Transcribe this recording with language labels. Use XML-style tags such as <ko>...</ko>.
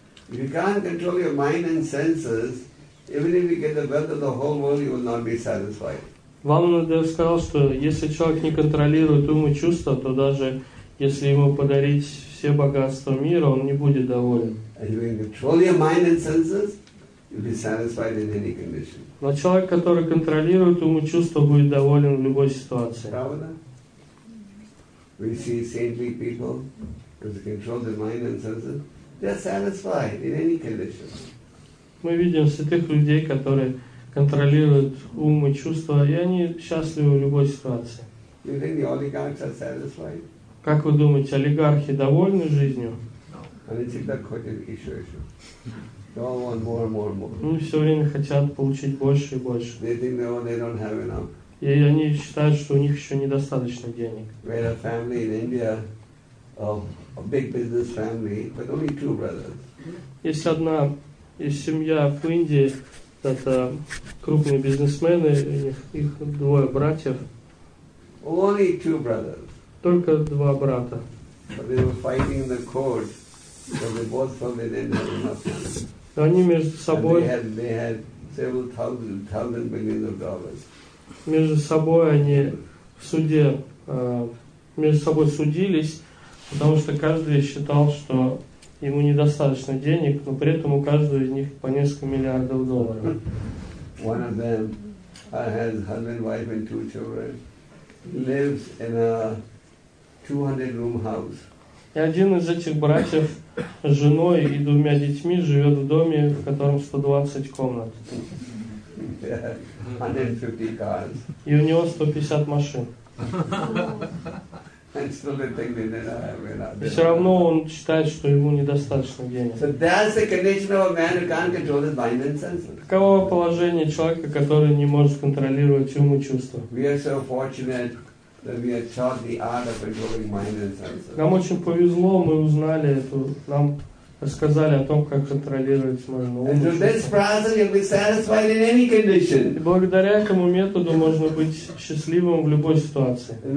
<en>If you can't control your mind and senses, Even if you get the belt of the whole world, you will not be satisfied.</en> <ru>Валандер сказал, что если человек не контролирует ум и чувства, то даже если ему подарить все богатства мира, он не будет доволен. Но человек, который контролирует ум и чувства, будет доволен в любой ситуации.</ru> <en>We see saintly people who control their mind and senses, they're satisfied in any condition.</en> <ru>Мы видим святых людей, которые контролируют ум и чувства, и они счастливы в любой ситуации.</ru> <en>You think the oligarchs are satisfied?</en> <ru>Как вы думаете, олигархи довольны жизнью? Они всегда хотят еще.</ru> <en>They all want more and more and more.</en> <ru>Ну, все время хотят получить больше и больше.</ru> <en>They think they don't have enough.</en> <ru>И они считают, что у них еще недостаточно денег.</ru> <en>We had a family in India, a big business family, but only two brothers.</en> <ru>Есть одна из семья в Индии, это крупные бизнесмены, их двое братьев.</ru> <en>Only two brothers.</en> <ru>Только два брата.</ru> <en>But they were fighting in the court, so they both from it and they didn't have enough.</en> <ru>Они между собой.</ru> <en>They had several thousand millions of dollars.</en> <ru>Между собой они в суде между собой судились, потому что каждый считал, что ему недостаточно денег, но при этом у каждого из них по несколько миллиардов долларов.</ru> <en>One of them has husband, wife and two children, lives in a 200-room house.</en> <ru>И один из этих братьев с женой и двумя детьми живет в доме, в котором 120 комнат.</ru> <en>Yeah, 150 cars.</en> <ru>И у него 150 машин.</ru> <en>And still they think they don't have enough.</en> <ru>Все равно он считает, что ему недостаточно денег.</ru> <en>So that's the condition of a man who can't control his mind and senses.</en> <ru>Таково положение человека, который не может контролировать ум и чувства.</ru> <en>We are so fortunate that we are taught the art of controlling mind and senses.</en> <ru>Нам очень повезло, мы узнали эту нам. Рассказали о том, как контролировать можно ум. И благодаря этому методу можно быть счастливым в любой ситуации.</ru>